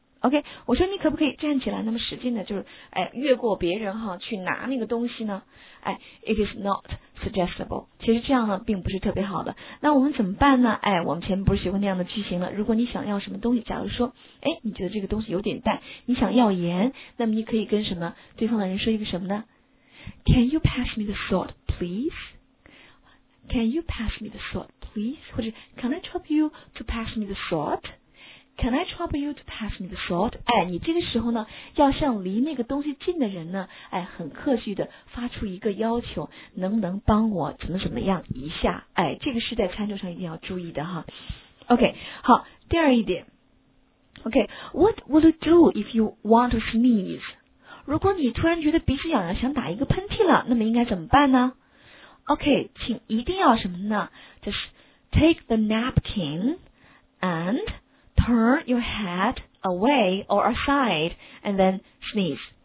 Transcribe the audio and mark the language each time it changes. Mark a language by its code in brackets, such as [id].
[zh] OK， 我说你可不可以站起来，那么使劲的就是，越过别人哈去拿那个东西呢？ [en] It is not suggestible， [zh] 其实这样呢并不是特别好的。那我们怎么办呢？我们前面不是学过那样的句型了，如果你想要什么东西，假如说你觉得这个东西有点淡，你想要盐，那么你可以跟什么对方的人说一个什么呢？ [en] Can you pass me the salt please? Can you pass me the salt please? [zh] 或者 [en] Can I help you to pass me the salt? Can I trouble you to pass me the salt? [zh] 哎，你这个时候呢，要向离那个东西近的人呢，哎，很客气的发出一个要求，能不能帮我怎么怎么样一下？哎，这个是在餐桌上一定要注意的哈。 OK， 好，第二一点。 [en] OK， what will you do if you want to sneeze？ [zh] 如果你突然觉得鼻子痒痒，想打一个喷嚏了，那么应该怎么办呢 ？OK， 请一定要什么呢？就是 [en] take the napkin and turn your head away or aside and then sneeze。